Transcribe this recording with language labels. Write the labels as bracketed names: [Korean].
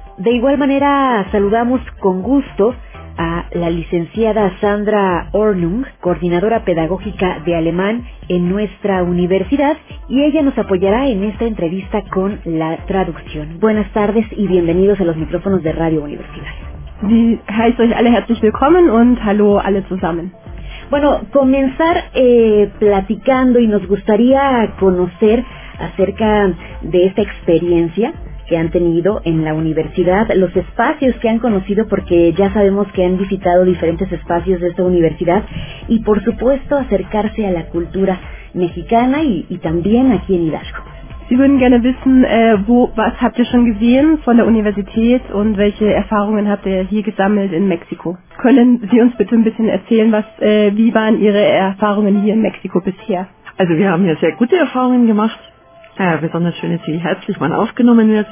[Spanish] De igual manera, saludamos con gusto a la licenciada Sandra Ornung, coordinadora pedagógica de alemán en nuestra universidad, y ella nos apoyará en esta entrevista con la traducción. Buenas tardes y bienvenidos a los micrófonos de Radio Universidad. [German] Ich heiße euch alle herzlich willkommen und hallo alle zusammen. [Spanish] Bueno, comenzar platicando, y nos gustaría conocer acerca de esta experiencia que han tenido en la universidad, los espacios que han conocido, porque ya sabemos que han visitado diferentes espacios de esta universidad, y por supuesto acercarse a la cultura mexicana y también aquí en Hidalgo. [German] Sie würden gerne wissen, was habt ihr schon gesehen von der Universität und welche Erfahrungen habt ihr hier gesammelt in Mexiko? Können Sie uns bitte ein bisschen erzählen, wie waren Ihre Erfahrungen hier in Mexiko bisher? Also wir haben hier sehr gute Erfahrungen gemacht. Besonders schön ist, wie herzlich man aufgenommen wird.